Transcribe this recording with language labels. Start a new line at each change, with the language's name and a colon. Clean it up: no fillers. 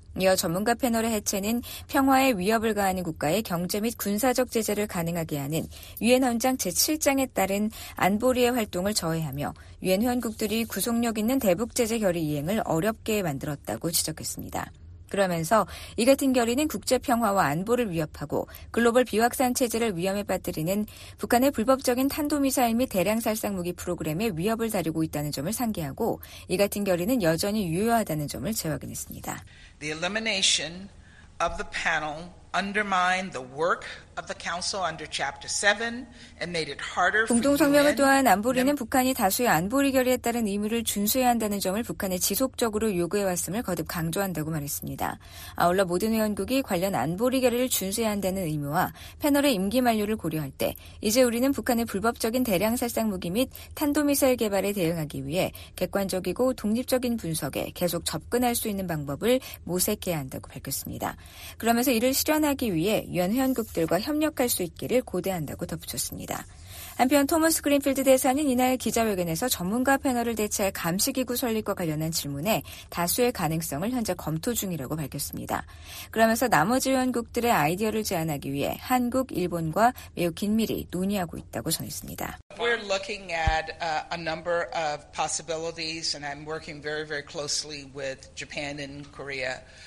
Korean: 이어 전문가 패널의 해체는 평화에 위협을 가하는 국가의 경제 및 군사적 제재를 가능하게 하는 유엔 헌장 제7장에 따른 안보리의 활동을 저해하며 유엔 회원국들이 구속력 있는 대북 제재 결의 이행을 어렵게 만들었다고 지적했습니다. 그러면서 이 같은 결의는 국제 평화와 안보를 위협하고 글로벌 비확산 체제를 위험에 빠뜨리는 북한의 불법적인 탄도미사일 및 대량 살상무기 프로그램에 위협을 다리고 있다는 점을 상기하고 이 같은 결의는 여전히 유효하다는 점을 재확인했습니다.
English: The elimination of the panel undermined the work of the council under chapter 7 and made it harder for
Korean: 공동성명을 또한 안보리는 북한이 다수의 안보리 결의에 따른 의무를 준수해야 한다는 점을 북한에 지속적으로 요구해 왔음을 거듭 강조한다고 말했습니다. 아울러 모든 회원국이 관련 안보리 결의를 준수해야 한다는 의무와 패널의 임기 만료를 고려할 때 이제 우리는 북한의 불법적인 대량 살상 무기 및 탄도 미사일 개발에 대응하기 위해 객관적이고 독립적인 분석에 계속 접근할 수 있는 방법을 모색해야 한다고 밝혔습니다. 그러면서 이를 실현하기 위해 유엔 회원국들과 협력할 수 있기를 고대한다고 덧붙였습니다. 한편 토머스 그린필드 대사는 이날 기자회견에서 전문가 패널을 대체할 감시기구 설립과 관련한 질문에 다수의 가능성을 현재 검토 중이라고 밝혔습니다. 그러면서 나머지 회원국들의 아이디어를 제안하기 위해 한국, 일본과 매우 긴밀히 논의하고 있다고 전했습니다.
English: We're looking at a number of possibilities and I'm working very, very closely with Japan and Korea.